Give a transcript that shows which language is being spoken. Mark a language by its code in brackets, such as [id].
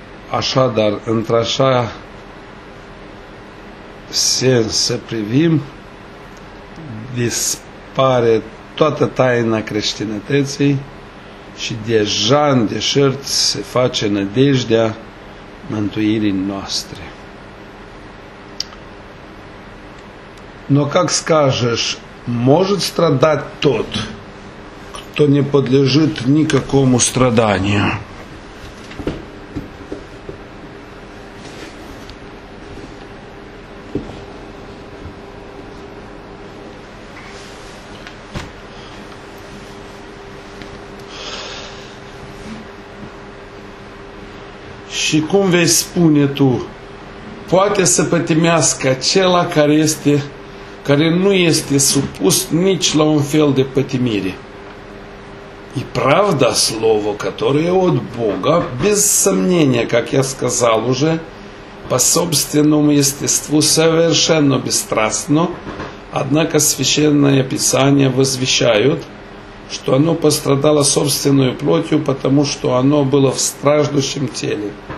[ro] Așadar, într-așa sens să privim, dispare toată taina creștinătății și deja în deșert se face nădejdea mântuirii noastre. [ru] Но как скажешь, может страдать тот, кто не подлежит никакому страданию? [ro] Și cum vei spune tu, poate să pătimească acela care este care nu este supus nici la un fel de pătimire. [ru] И правда слово, которое от Бога, без сомнения, как я сказал уже, по собственному естеству совершенно бесстрастно, однако Священное Писание возвещает, что оно пострадало собственную плотью, потому что оно было в страждущем теле.